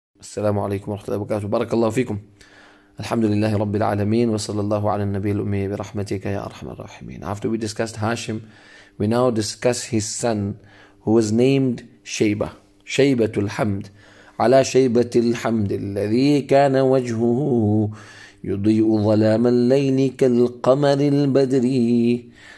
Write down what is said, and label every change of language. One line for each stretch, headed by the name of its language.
Arabic: السلام عليكم ورحمة الله وبركاته، بارك الله فيكم. الحمد لله رب العالمين، وصلى الله على النبي الأمي برحمتك يا أرحم الراحمين.
English: After we discussed Hashim, we now discuss his son who was named Shaybah.
Arabic: شيبة الحمد، على شيبة الحمد الذي كان وجهه يضيء ظلام الليل كالقمر البدري.